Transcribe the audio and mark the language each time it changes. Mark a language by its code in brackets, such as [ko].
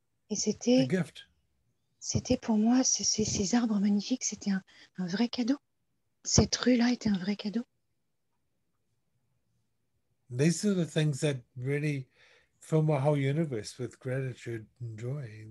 [fr] Et c'était, [en] a gift. [fr] C'était pour moi, ces arbres magnifiques, c'était un vrai cadeau. Cette rue-là était un vrai cadeau. [en] These are the things that really fill my whole universe with gratitude and joy.